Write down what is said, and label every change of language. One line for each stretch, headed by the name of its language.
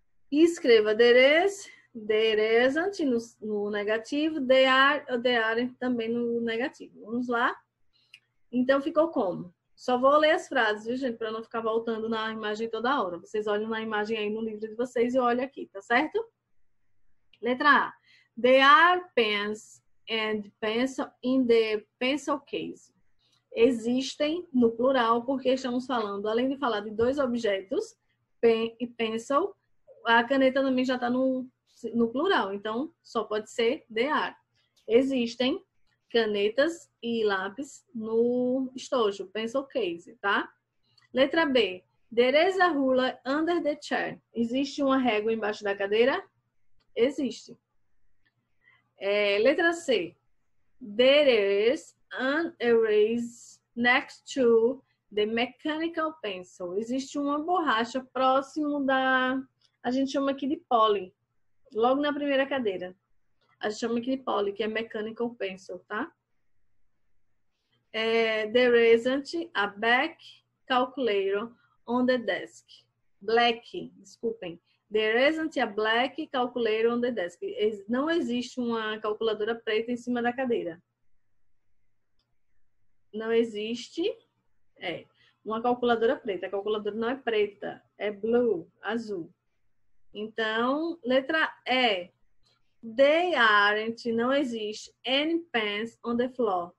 Portuguese: E escreva there is, there isn't no negativo, they are ou they aren't também no negativo. Vamos lá. Então ficou como? Só vou ler as frases, viu, gente, para não ficar voltando na imagem toda hora. Vocês olham na imagem aí no livro de vocês e olham aqui, tá certo? Letra A.
English: They are pens and pencil in the pencil case.
Portuguese: Existem no plural porque estamos falando, além de falar de dois objetos, pen e pencil, a caneta também já está no plural, então só pode ser they are. Existem canetas e lápis no estojo, pencil case, tá? Letra B.
English: There is a ruler under the chair.
Portuguese: Existe uma régua embaixo da cadeira? Existe. Letra C.
English: There is an eraser next to the mechanical pencil.
Portuguese: Existe uma borracha próximo da. A gente chama aqui de poly. Logo na primeira cadeira. A gente chama aqui de poly, que é mechanical pencil, tá?
English: There isn't a black calculator on the desk. Black,
Portuguese: desculpem.
English: There isn't a black calculator on the desk.
Portuguese: Não existe uma calculadora preta em cima da cadeira. Não existe, uma calculadora preta. A calculadora não é preta, é blue, azul. Então, letra E. They aren't, não existe
English: any pens on the floor.